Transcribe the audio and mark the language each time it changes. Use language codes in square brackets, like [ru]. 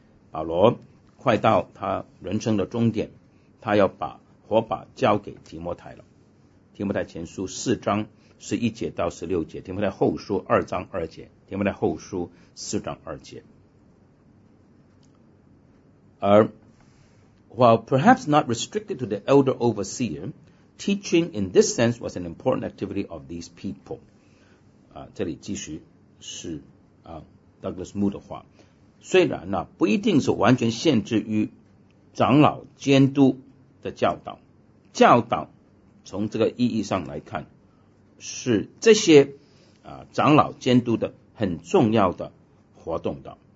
[zh] 保罗快到他人生的终点，他要把火把交给提摩太了。提摩太前书四章十一节到十六节，提摩太后书二章二节，提摩太后书四章二节。 [en] 而 while perhaps not restricted to the elder overseer, teaching in this sense was an important activity of these people。 [zh] 这里继续是Douglas Moo 的话，虽然呢不一定是完全限制于长老监督的教导，教导从这个意义上来看，是这些长老监督的很重要的活动的。